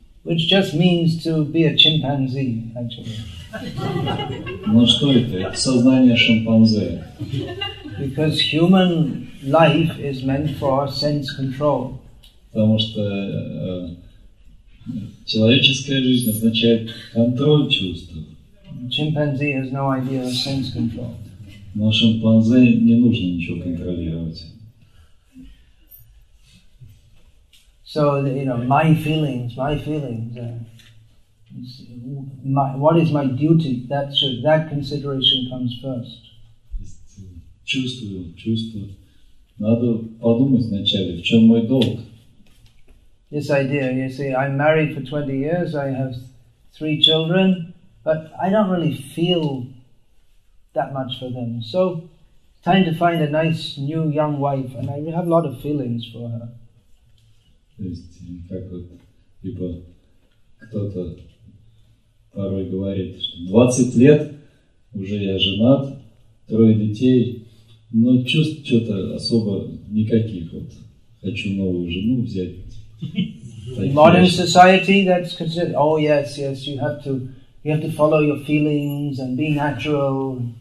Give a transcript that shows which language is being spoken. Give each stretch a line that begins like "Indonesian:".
English: Which just means to be a chimpanzee, actually.
Russian: Ну что это? Это сознание шимпанзе.
English: Because human life is meant for our sense control.
Russian: Потому что человеческая жизнь означает контроль чувств.
English: Chimpanzee has no idea of sense control.
Russian: Но шимпанзе не нужно ничего контролировать.
English: So, you know, my feelings. What is my duty? That consideration comes first.
Russian: Чувствую. Надо подумать вначале, в чем мой долг.
English: This idea, you see, I'm married for 20 years, I have 3 children, but I don't really feel that much for them. So, time to find a nice new young wife, and I have a lot of feelings for her.
Russian: То есть, как вот, типа, кто-то порой говорит, что 20 лет, уже я женат, 3 детей, но чувств что-то особо никаких. Вот, хочу новую жену взять.
English: In modern society, that's considered, oh yes, you have to follow your feelings and be natural.